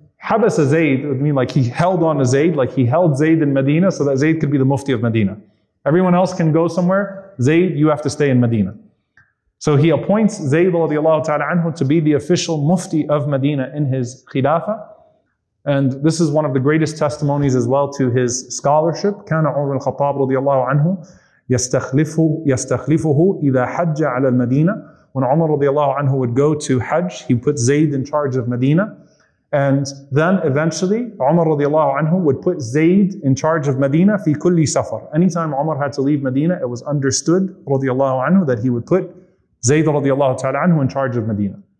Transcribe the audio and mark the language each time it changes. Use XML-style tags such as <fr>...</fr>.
<en>Habasa Zayd would mean like he held on to Zayd, like he held Zayd in Medina so that Zayd could be the Mufti of Medina. Everyone else can go somewhere. Zayd, you have to stay in Medina. So he appoints Zayd radiallahu ta'ala anhu to be the official Mufti of Medina in his Khilafah. And this is one of the greatest testimonies as well to his scholarship.</en> <ar>كان عمر الخطاب رضي الله عنه يستخلفه إذا حج على المدينة.</ar> <en>When Umar</en> <ar>رضي الله عنه</ar> <en>would go to Hajj, he put Zayd in charge of Medina. And then eventually, Umar</en> <ar>رضي الله عنه</ar> <en>would put Zayd in charge of Medina</en> <ar>في كل سفر.</ar> <en>Anytime Umar had to leave Medina, it was understood</en> <ar>رضي الله عنه</ar> <en>that he would put Zayd</en> <ar>رضي الله تعالى عنه</ar> <en>in charge of Medina.</en>